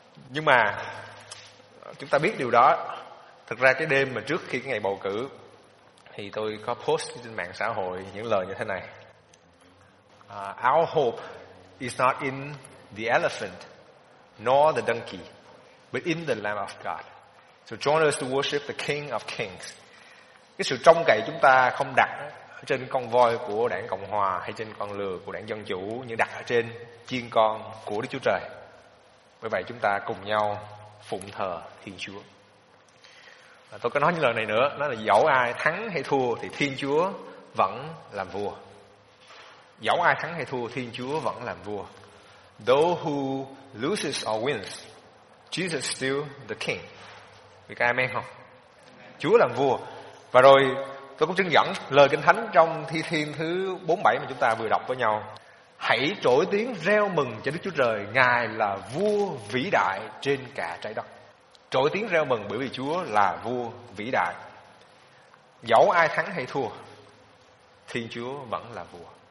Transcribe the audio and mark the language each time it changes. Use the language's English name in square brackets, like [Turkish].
[Vietnamese] Nhưng mà chúng ta biết điều đó. Thực ra cái đêm mà trước khi cái ngày bầu cử thì tôi có post trên mạng xã hội những lời như thế này: [English] Our hope is not in the elephant nor the donkey, but in the Lamb of God. So join us to worship the King of Kings. [Vietnamese] Cái sự trông cậy chúng ta không đặt trên con voi của đảng Cộng Hòa hay trên con lừa của đảng Dân Chủ, nhưng đặt ở trên chiên con của Đức Chúa Trời. Bởi vậy chúng ta cùng nhau phụng thờ Thiên Chúa. Và tôi có nói những lời này nữa, nó là dẫu ai thắng hay thua thì Thiên Chúa vẫn làm vua. Dẫu ai thắng hay thua, Thiên Chúa vẫn làm vua. [English] Though who loses or wins, Jesus still the King. [Vietnamese] Vì các amen không? Chúa làm vua. Và rồi tôi cũng chứng dẫn lời Kinh Thánh trong Thi Thiên thứ 47 mà chúng ta vừa đọc với nhau: Hãy trỗi tiếng reo mừng cho Đức Chúa Trời, Ngài là vua vĩ đại trên cả trái đất. Trỗi tiếng reo mừng bởi vì Chúa là vua vĩ đại. Dẫu ai thắng hay thua, Thiên Chúa vẫn là vua.